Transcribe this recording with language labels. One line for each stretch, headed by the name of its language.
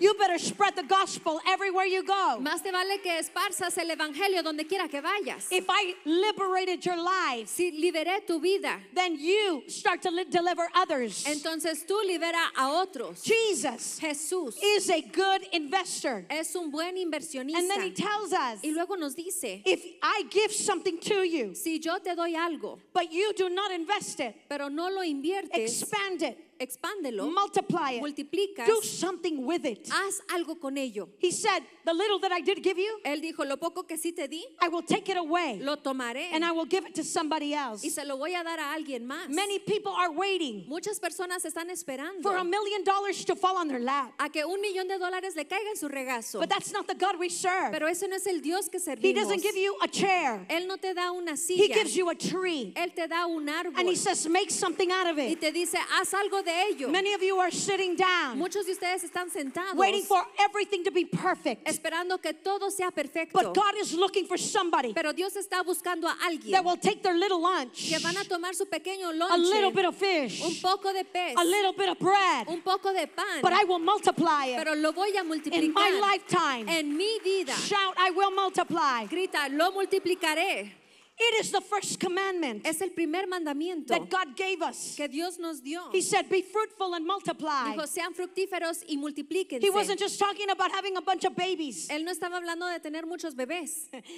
English: you better spread the gospel everywhere you go.
Spanish: Más te vale que esparzas el evangelio donde quiera que vayas.
English: If I liberated your life,
Spanish: si liberé tu vida,
English: then you start to deliver others.
Spanish: Entonces tú libera a otros.
English: Jesus,
Spanish: Jesús,
English: is a good investor.
Spanish: Es un buen inversionista.
English: And then he tells us,
Spanish: y luego nos dice,
English: if I give something to you,
Spanish: si yo te doy algo,
English: but you do not invest it,
Spanish: pero no lo inviertes,
English: expand it.
Spanish: Expándelo,
English: multiply it,
Spanish: multiplicas,
English: do something with it.
Spanish: Haz algo con ello.
English: He said, the little that I did give you,
Spanish: él dijo, lo poco que sí te di,
English: I will take it away,
Spanish: lo tomaré,
English: and I will give it to somebody else.
Spanish: Y se lo voy a dar a alguien más.
English: Many people are waiting,
Spanish: muchas personas están esperando,
English: for $1,000,000 to fall on their lap,
Spanish: a que $1,000,000 le caiga en su regazo.
English: But that's not the God we serve.
Spanish: Pero ese no es el Dios que servimos.
English: He doesn't give you a chair,
Spanish: él no te da una silla.
English: He gives you a tree,
Spanish: él te da un árbol.
English: And he says, make something out of it,
Spanish: y te dice, haz algo de.
English: Many of you are sitting down,
Spanish: muchos de ustedes están sentados,
English: waiting for everything to be perfect,
Spanish: esperando que todo sea perfecto.
English: But God is looking for somebody,
Spanish: pero Dios está buscando a alguien,
English: that will take their little lunch,
Spanish: que van a tomar su pequeño lunch,
English: a little bit of fish,
Spanish: un poco de pez,
English: a little bit of bread,
Spanish: un poco de pan,
English: but I will multiply it,
Spanish: pero lo voy a multiplicar,
English: in my lifetime,
Spanish: en mi vida.
English: Shout, I will multiply.
Spanish: Grita, lo multiplicaré.
English: It is the first commandment,
Spanish: es el primer mandamiento,
English: that God gave us,
Spanish: que Dios nos dio.
English: He said, be fruitful and multiply.
Spanish: Dijo, sean fructíferos y multiplíquense.
English: He wasn't just talking about having a bunch of babies.
Spanish: Él no estaba hablando de tener muchos bebés.